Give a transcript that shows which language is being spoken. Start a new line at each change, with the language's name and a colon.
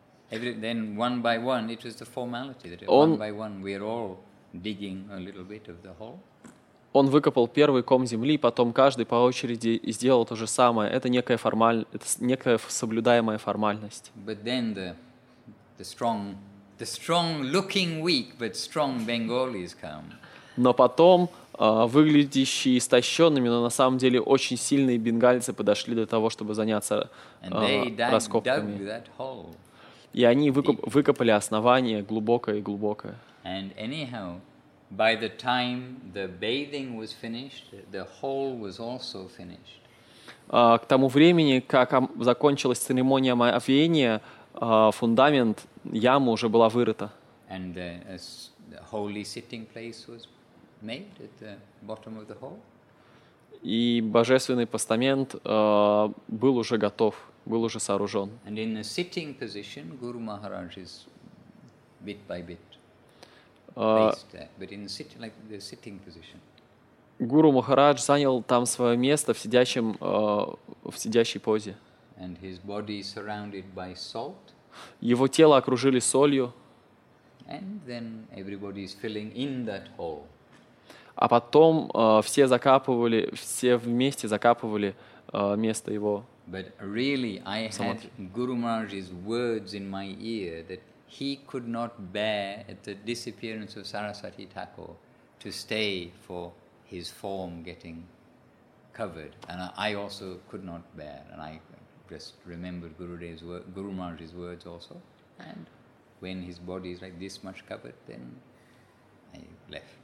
English: Then one by one, it was the formality that one by one we are all digging a little bit of the hole.
Russian: Он выкопал первый ком земли, потом каждый по очереди сделал то же самое. Это некая соблюдаемая формальность.
English: But then the strong-looking weak but strong Bengalis come.
Russian: Но потом выглядящие истощенными, но на самом деле очень сильные бенгальцы подошли для того, чтобы заняться раскопками.
English: That hole.
Russian: И они выкопали основание глубокое.
English: And anyhow, by the time the bathing was finished, the hole was also finished.
Russian: К тому времени, как закончилась церемония омовения, фундамент ямы уже была вырыта.
English: And the holy sitting place was made at the bottom of the hole.
Russian: И божественный постамент был уже готов, был уже сооружен.
English: And in the sitting position, Guru Maharaj is bit by bit placed there. But in the sitting, like the sitting position.
Russian: Гуру Махарадж занял там свое место в сидящем, в сидящей позе.
English: And his body surrounded by salt.
Russian: Его тело окружили солью.
English: And then everybody is filling in that hole.
Russian: А потом все закапывали, все вместе закапывали место его.
English: But really, I had Guru Maharaj's words in my ear that he could not bear at the disappearance of Sarasvati Thakur to stay for his form getting covered, and I also could not bear, and I just remembered Guru Maharaj's words also, and when his body is like this much covered, then I left.